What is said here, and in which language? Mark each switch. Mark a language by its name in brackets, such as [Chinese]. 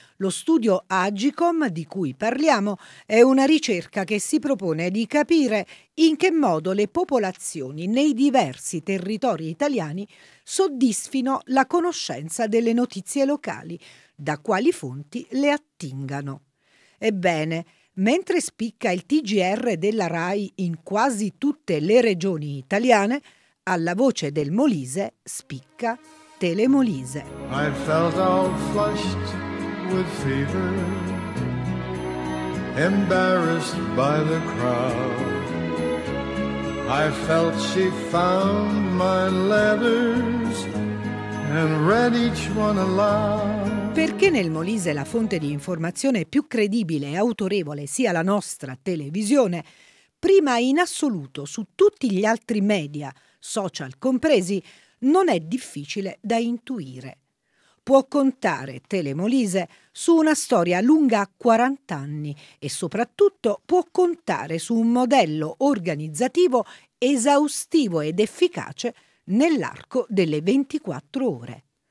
[Italian] Lo studio Agicom, di cui parliamo, è una ricerca che si propone di capire in che modo le popolazioni nei diversi territori italiani soddisfino la conoscenza delle notizie locali, da quali fonti le attingano. Ebbene, mentre spicca il TGR della RAI in quasi tutte le regioni italiane, alla voce del Molise spicca Telemolise. [English] I felt all flushed with fever, embarrassed by the crowd. I felt she found my letters and read each one aloud. [Italian] Perché nel Molise la fonte di informazione più credibile e autorevole sia la nostra televisione, prima in assoluto su tutti gli altri media, social compresi, non è difficile da intuire. Può contare Telemolise su una storia lunga 40 anni e soprattutto può contare su un modello organizzativo esaustivo ed efficace nell'arco delle 24 ore.